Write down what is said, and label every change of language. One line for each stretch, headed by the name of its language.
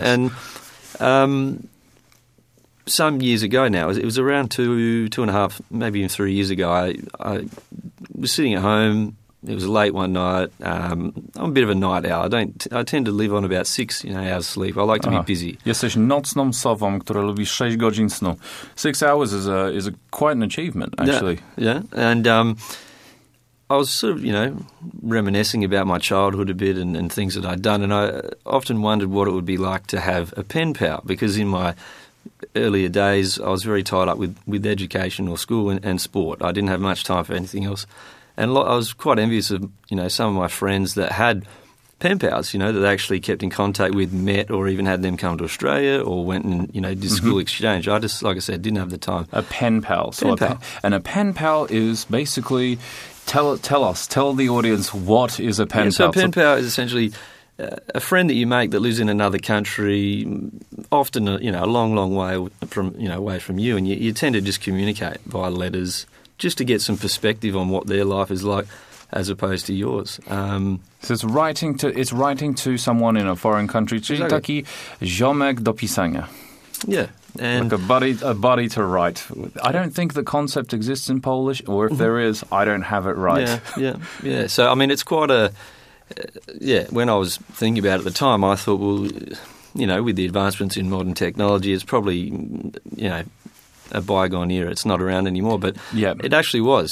English: Yes. And some years ago now, it was around two and a half, maybe even 3 years ago, I was sitting at home. It was late one night. I'm a bit of a night owl. I tend to live on about 6 hours sleep. I like to be busy.
Polish: Jesteś nocną sową, która lubi 6 godzin snu.
English: 6 hours is quite an achievement, actually. Yeah. And I was sort of, reminiscing about my childhood a bit and things that I'd done, and I often wondered what it would be like to have a pen pal, because in my earlier days I was very tied up with education or school and sport. I didn't have much time for anything else. And I was quite envious of, some of my friends that had pen pals, that they actually kept in contact with, met, or even had them come to Australia or went and, did school exchange. I just, like I said, didn't have the time. A pen pal. So pen pal. A pen pal is basically... Tell the audience, what is a pen pal? So a pen pal is essentially a friend that you make that lives in another country, often a long, long way from away from you, and you tend to just communicate via letters just to get some perspective on what their life is like as opposed to yours. So it's writing to someone in a foreign country.
Polish: Czyli taki ziomek do pisania.
English: Yeah. And like a buddy to write. I don't think the concept exists in Polish, or if there is, I don't have it right. Yeah. So, I mean, it's quite a... when I was thinking about it at the time, I thought, well, with the advancements in modern technology, it's probably, a bygone era. It's not around anymore, but it actually was.